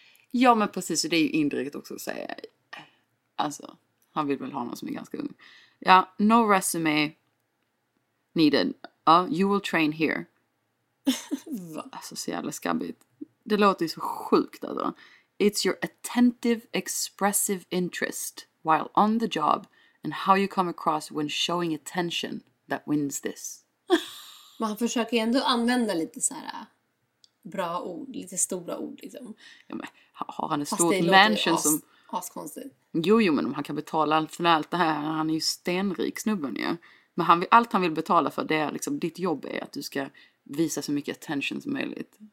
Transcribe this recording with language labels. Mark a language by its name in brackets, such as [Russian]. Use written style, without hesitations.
[Swedish] Ja, men precis, så det är ju indirekt också att säga. Alltså, han vill väl ha någon som är ganska ung. [English] Ja, no resume needed. You will train here. [Swedish] Va? Alltså, så jävla skabbigt. Det låter ju så sjukt alltså. [English] It's your attentive, expressive interest while on the job and how you come across when showing attention. That wins this. [Swedish] Men han försöker ändå använda lite så här bra ord, lite stora ord liksom. Ja, men har han en stor mansion som... Askonstigt. Jo, men om han kan betala för allt det här, han är ju stenrik snubben ju. Ja. Men han, allt han vill betala för, det är liksom, ditt jobb är att du ska visa så mycket attention som möjligt.